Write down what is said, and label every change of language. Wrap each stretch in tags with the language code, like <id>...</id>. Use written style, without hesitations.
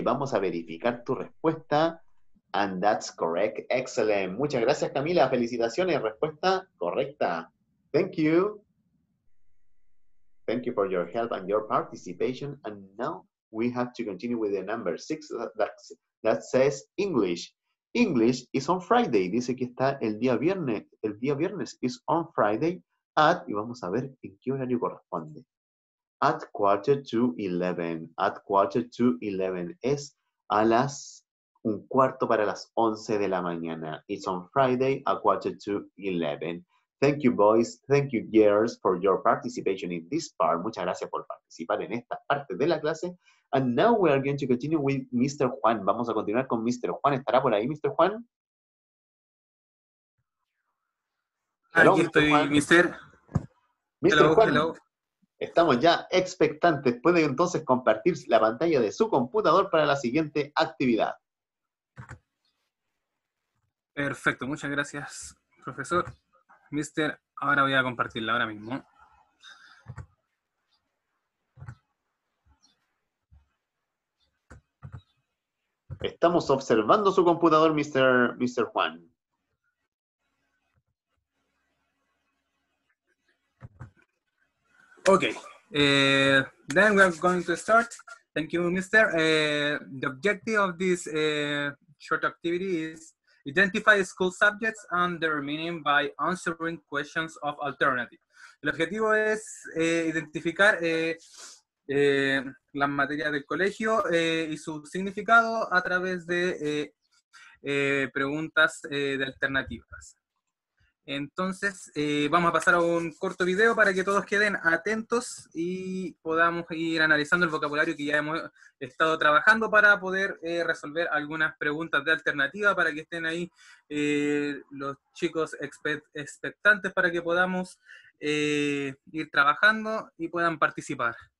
<es>Vamos a verificar tu respuesta.</es> <en>And that's correct. Excellent.</en> <es>Muchas gracias, Camila. Felicitaciones. Respuesta correcta.</es> <en>Thank you. Thank you for your help and your participation. And now we have to continue with the number 6 that says English. English is on Friday.</en> <es>Dice que está el día viernes.</es> <en>El día viernes is on Friday at, y vamos a ver en qué horario corresponde. At 10:45. At 10:45.</en> <es>Es a las 11:15 de la mañana.</es> <en>It's on Friday at 10:45. Thank you, boys. Thank you, girls, for your participation in this part.</en> <es>Muchas gracias por participar en esta parte de la clase.</es> <en>And now we are going to continue with Mr.</en> <es>Juan. Vamos a continuar con Mr. Juan. ¿Estará por ahí, Mr. Juan?</es> <en>Hello,</en> <es>aquí estoy, Mr. Juan. Mr.</es> <en>Hello, Juan. Hello.</en> <es>Estamos ya expectantes. Puede entonces compartir la pantalla de su computador para la siguiente actividad. Perfecto. Muchas gracias, profesor. Mister, ahora voy a compartirla ahora mismo. Estamos observando su computador, Mister Juan.</es> <en>Okay. Then we are going to start. Thank you, Mister. The objective of this short activity is identify school subjects and their meaning by answering questions of alternative.</en> <es>El objetivo es identificar la materia del colegio y su significado a través de preguntas de alternativas. Entonces, vamos a pasar a un corto video para que todos queden atentos y podamos ir analizando el vocabulario que ya hemos estado trabajando para poder resolver algunas preguntas de alternativa para que estén ahí los chicos expectantes para que podamos ir trabajando y puedan participar.</es>